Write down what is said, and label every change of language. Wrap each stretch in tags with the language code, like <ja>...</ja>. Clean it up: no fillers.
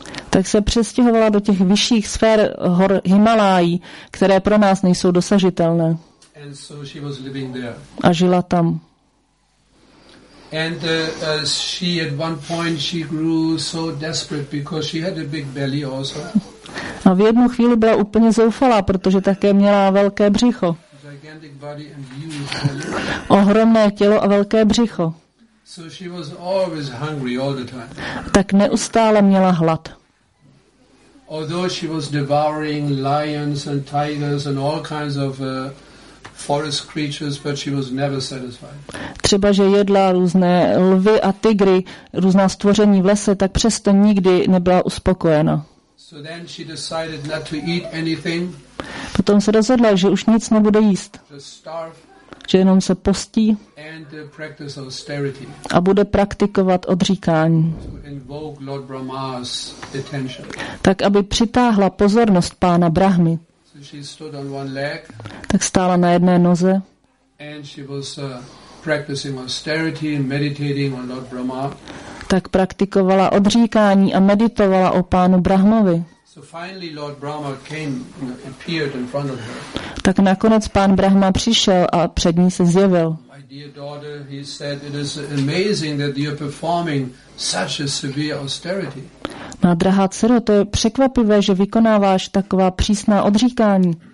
<cs>Tak se přestěhovala do těch vyšších sfér hor Himalájí, které pro nás nejsou dosažitelné.</cs> <en>And so she was living there.</en> <cs>A žila tam.</cs> <en>And she at one point she grew so desperate because she had a big belly also.</en> <cs>A v jednu chvíli byla úplně zoufalá, protože také měla velké břicho.</cs> <en>Gigantic body and huge belly.</en> <cs>Ohromné tělo a velké břicho.</cs> <en>So she was always hungry all the time.</en> <cs>Tak neustále měla hlad.</cs> <en>Although she was devouring lions and tigers and all kinds of forest creatures, but she was never satisfied.</en> <cs>Třeba že jedla různé lvy a tygry, různá stvoření v lese, tak přesto nikdy nebyla uspokojena.</cs> <en>So then she decided not to eat anything.</en> <cs>Potom se rozhodla, že už nic nebude jíst. Že jenom se postí.</cs> <en>And the practice of austerity.</en> <cs>A bude praktikovat odříkání.</cs> <en>To invoke Lord Brahma's attention.</en> <cs>Tak aby přitáhla pozornost pána Brahmy.</cs> <en>She stood on one leg,</en> <cs>tak stála na jedné noze.</cs> <en>And she was practicing austerity and meditating on Lord Brahma.</en> <cs>Tak praktikovala odříkání a meditovala o pánu Brahmovi.</cs> <en>So finally Lord Brahma came and appeared in front of her.</en> <cs>Tak nakonec pán Brahma přišel a před ní se zjevil.</cs> <en>My dear daughter, he said, it is amazing that you are performing such a severe austerity.</en> <cs>Má drahá dcero, to je překvapivé, že vykonáváš taková přísná odříkání.</cs>